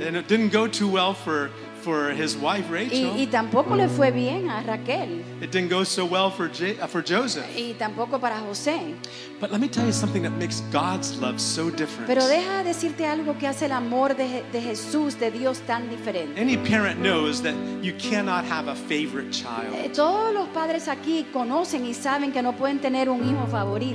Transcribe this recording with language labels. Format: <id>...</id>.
<en>And it didn't go too well for his wife Rachel.</en> <es>Y tampoco le fue bien a Raquel.</es> <en>It didn't go so well for Joseph.</en> <es>Y tampoco para José.</es> <en>But let me tell you something that makes God's love so different.</en> <es>Pero deja decirte algo que hace el amor de Jesús, de Dios, tan diferente.</es> <en>Any parent knows that you cannot have a favorite child.</en> <es>Todos los padres aquí conocen y saben que no pueden tener un hijo favorito.</es>